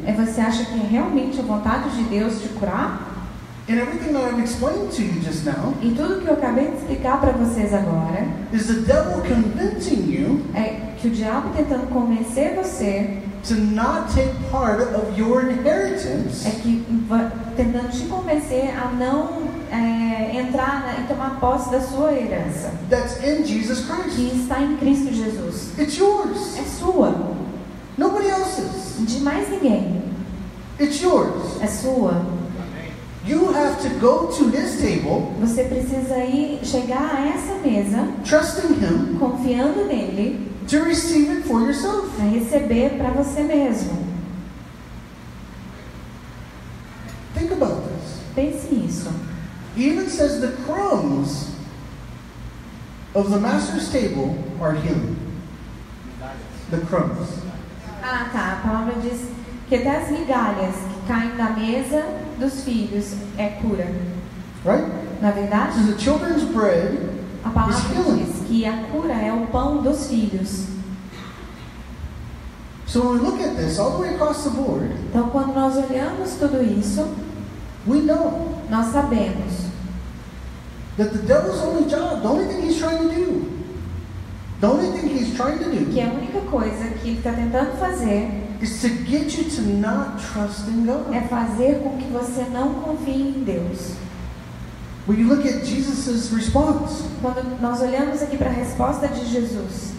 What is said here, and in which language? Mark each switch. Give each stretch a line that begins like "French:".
Portuguese: E você acha que é realmente a vontade de Deus te curar?
English: And everything that I've explained to you just now.
Portuguese: E tudo que eu acabei de explicar para vocês agora.
English: Is the devil convincing you?
Portuguese: É que o diabo tentando convencer você.
English: To not take part of your inheritance.
Portuguese: É que tentando te convencer a não entrar e tomar posse da sua herança.
English: That's in Jesus Christ.
Portuguese: Que está em Cristo Jesus.
English: It's yours.
Portuguese: É sua.
English: Nobody else's.
Portuguese: De mais ninguém.
English: It's yours.
Portuguese: É sua.
English: You have to go to his table.
Portuguese: Você precisa ir chegar a essa mesa.
English: Trusting him.
Portuguese: Confiando nele.
English: To receive it for yourself.
Portuguese: Para receber para você mesmo.
English: Think about this.
Portuguese: Pense nisso.
English: Even says the crumbs of the master's table are him. The crumbs.
Portuguese: Ah, tá. A palavra diz que até as migalhas que caem da mesa dos filhos é cura.
English: Right?
Portuguese: Na verdade?
English: So the children's bread.
Portuguese: A palavra diz que a cura é o pão dos filhos.
English: So when we look at this all the way across the board.
Portuguese: Então quando nós olhamos tudo isso,
English: we know.
Portuguese: Nós sabemos.
English: That the devil's only job, the only thing he's trying to do. The only thing he's trying to do.
Portuguese: Que a única coisa que ele está tentando fazer.
English: Is to get you to not trust in God.
Portuguese: É fazer com que você não confie em Deus.
English: When you look at Jesus's response.
Portuguese: Quando nós olhamos aqui para a resposta de Jesus.